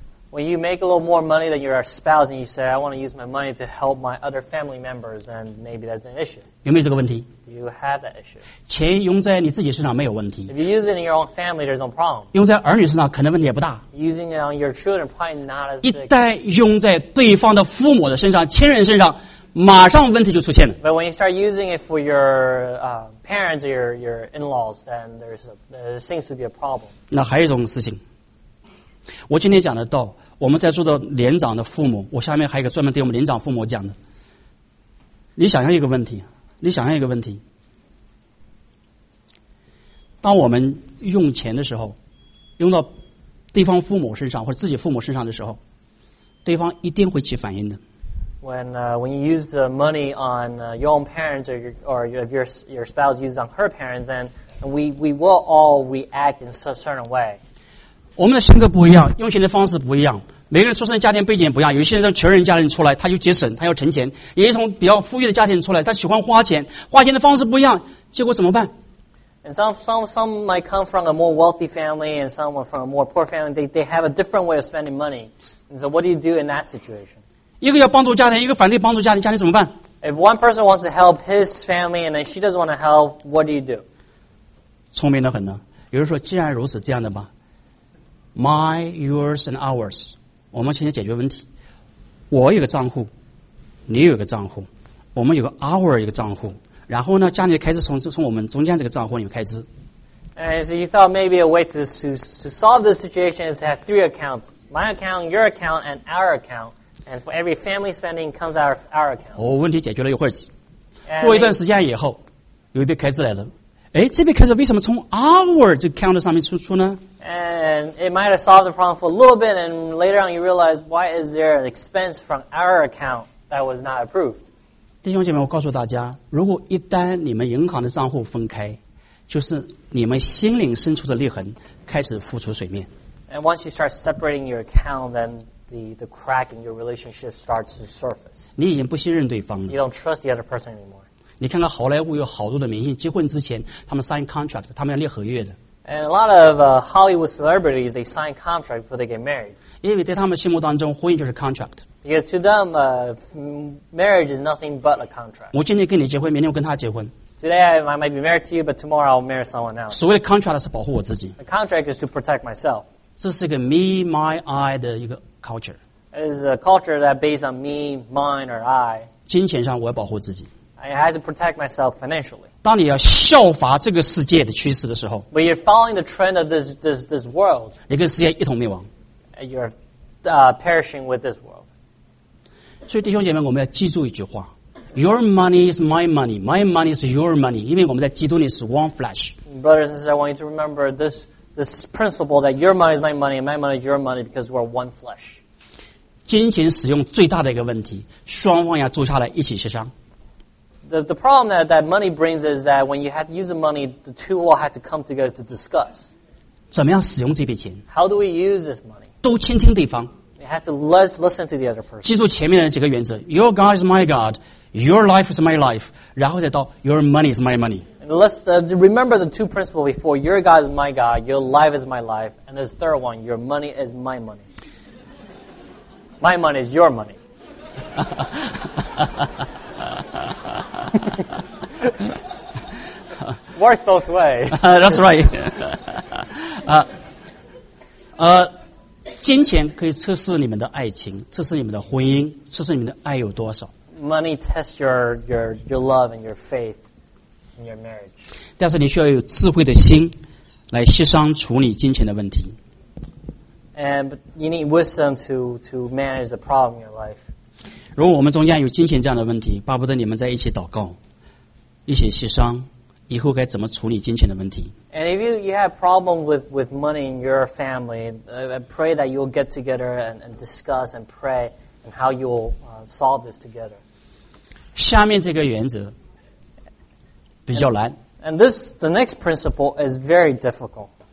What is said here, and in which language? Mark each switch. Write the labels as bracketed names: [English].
[English] When you make a little more money than your spouse and you say, I want to use my money to help my other family members, then maybe that's an issue. [Chinese] 有没有这个问题? [English] Do you have that issue? [Chinese] 钱用在你自己身上没有问题。 [English] If you use it in your own family, there's no problem. [Chinese] 用在儿女身上可能问题也不大。 [English] Using it on your children, probably not as big. [Chinese] 一旦用在对方的父母的身上、亲人身上，马上问题就出现了。 [English] But when you start using it for your parents or your in-laws, then there seems to be a problem. [Chinese] 那还有一种事情。我今天讲的到我们在座的年长的父母我下面还有一个专门对我们年长父母讲的你想象一个问题你想象一个问题当我们用钱的时候用到对方父母身上或者自己父母身上的时候对方一定会起反应的 [English] when you use the money on your own parents or your spouse use on her parents then we will all react in a certain way [Chinese] 我们的性格不一样用钱的方式不一样每个人出生的家庭背景不一样有些人穷人家庭出来他就节省他要存钱也从比较富裕的家庭出来他喜欢花钱花钱的方式不一样结果怎么办 [English] And some might come from a more wealthy family and some from a more poor family they have a different way of spending money and so what do you do in that situation [Chinese] 一个要帮助家庭一个反对帮助家庭家庭怎么办 [English] If one person wants to help his family and then she doesn't want to help what do you do [Chinese] 聪明得很呢有人说既然如此这样的吧 [English] My, yours, and ours. [Chinese] 我们先解决问题。我有个账户，你有个账户，我们有个 our 一个账户。然后呢，家里的开支从我们中间这个账户里面开支。 [English] And so you thought maybe a way to solve this situation is to have three accounts: my account, your account, and our account. And for every family spending comes our account. [Chinese] 哦，问题解决了一会儿，过一段时间以后，有一笔开支来了。哎，这笔开支为什么从 our 这个 account 上面出呢？ [English] And it might have solved the problem for a little bit, and later on you realize why is there an expense from our account that was not approved. [Chinese] 弟兄姐妹，我告诉大家，如果一旦你们银行的账户分开，就是你们心灵深处的裂痕开始浮出水面。 [English] And once you start separating your account, then the crack in your relationship starts to surface. [Chinese] 你已经不信任对方了。 [English] You don't trust the other person anymore. [Chinese] 你看看好莱坞有好多的明星结婚之前，他们 [English] sign contract， [Chinese] 他们要列合约的。 [English] And a lot of Hollywood celebrities, they sign contracts before they get married. [Chinese] 因为在他们心目当中，婚姻就是 contract. [English] Because to them, marriage is nothing but a contract. [Chinese] 我今天跟你结婚，明天我跟他结婚。 [English] Today I might be married to you, but tomorrow I'll marry someone else. [Chinese] 所谓 contract 是保护我自己。 [English] A contract is to protect myself. [Chinese] 这是一个 [English] me, my, I [Chinese] 的一个 culture. [English] It is a culture that based on me, mine, or I. [Chinese] 金钱上我要保护自己。 [English] I had to protect myself financially. [Chinese] 当你要效法这个世界的趋势的时候 [English] But you're following the trend of this world. [Chinese] 你跟世界一同灭亡 [English] You're perishing with this world. [Chinese] 所以弟兄姐妹我们要记住一句话 [English] Your money is my money. My money is your money. [Chinese] 因为我们在基督里是 [English] one flesh. Brothers and sisters, I want you to remember this principle that your money is my money and my money is your money because we're one flesh. [Chinese] 金钱使用最大的一个问题双方要坐下来一起协商 [English] The problem that money brings is that when you have to use the money, the two will have to come together to discuss. [Chinese] 怎么样使用这笔钱? [English] How do we use this money? [Chinese] 都倾听对方。 [English] You have to listen to the other person. [Chinese] 记住前面的几个原则。 [English] Your God is my God. Your life is my life. [Chinese] 然后再到 [English] your money is my money. And remember the two principles before. Your God is my God. Your life is my life. And this third one, your money is my money. My money is your money. 哈哈Work both ways. That's right. [Chinese] 金钱可以测试你们的爱情，测试你们的婚姻，测试你们的爱有多少。 [English] Money tests your love and your faith in your marriage. [Chinese] 但是你需要有智慧的心来协商处理金钱的问题。 [English] And you need wisdom to manage the problem in your life. [Chinese] 如果我们中间有金钱这样的问题，巴不得你们在一起祷告，一起协商，以后该怎么处理金钱的问题。 [English] And if you have problem with money in your family, I pray that you'll get together and discuss and pray and how you'll solve this together. [Chinese] 下面这个原则比较难。 [English] And this, the next principle is very difficult.